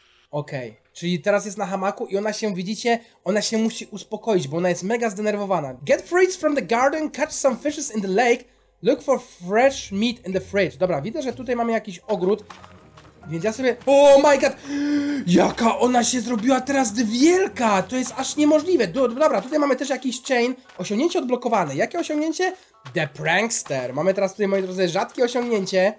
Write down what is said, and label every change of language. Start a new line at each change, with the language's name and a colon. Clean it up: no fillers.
Polish: Okej, czyli teraz jest na hamaku i ona się, widzicie, ona się musi uspokoić, bo ona jest mega zdenerwowana.
English: Get fruits from the garden, catch some fishes in the lake, look for fresh meat in the fridge.
Polish: Dobra, widzę, że tutaj mamy jakiś ogród. Więc ja sobie...
English: O my god!
Polish: Jaka ona się zrobiła teraz wielka! To jest aż niemożliwe! Dobra, tutaj mamy też jakiś chain. Osiągnięcie odblokowane. Jakie osiągnięcie? The Prankster! Mamy teraz tutaj, moi drodzy, rzadkie osiągnięcie.